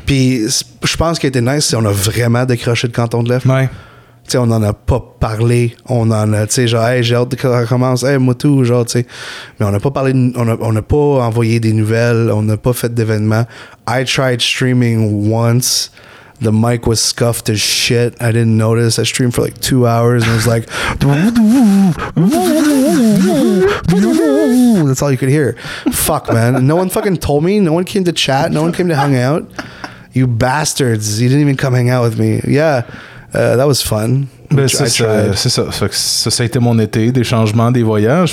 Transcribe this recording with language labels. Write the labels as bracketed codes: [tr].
[fr] Puis je pense qu'il a été nice si on a vraiment décroché de Canton de l'Est. Ouais. Tu sais, on n'en a pas parlé. On en a, tu sais, genre, hey, j'ai hâte que ça recommence. Hey, moi tout, genre, tu sais. Mais on n'a pas parlé, on n'a pas envoyé des nouvelles, on n'a pas fait d'événements. [en] I tried streaming once. The mic was scuffed as shit. I didn't notice. I streamed for like 2 hours and I was like, that's all you could hear. Fuck, man. No one fucking told me. No one came to chat. No one came to hang out. You bastards. You didn't even come hang out with me. Yeah. That was fun. [fr] Ben, ça a été mon été, des changements, des voyages.